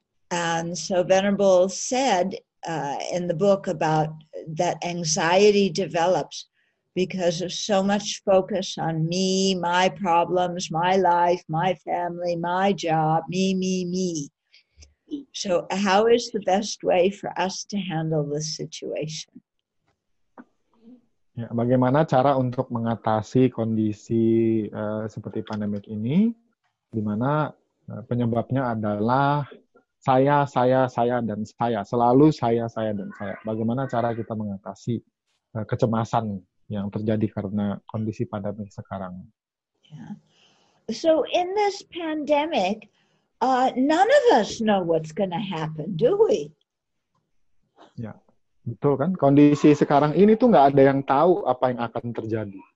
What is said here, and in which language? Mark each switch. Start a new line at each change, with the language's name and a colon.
English: And so Venerable said in the book about that anxiety develops because of so much focus on me, my problems, my life, my family, my job, me, me, me. So how is the best way for us to handle this situation?
Indonesian: Ya, bagaimana cara untuk mengatasi kondisi seperti pandemik ini, di mana penyebabnya adalah saya, dan saya. Selalu saya, dan saya. Bagaimana cara kita mengatasi kecemasan yang terjadi karena kondisi pandemik sekarang?
English: Yeah. So in this pandemic, none of us know what's going to happen, do we?
Indonesian: Ya. Betul kan? Kondisi sekarang ini tuh nggak ada yang tahu apa yang akan terjadi.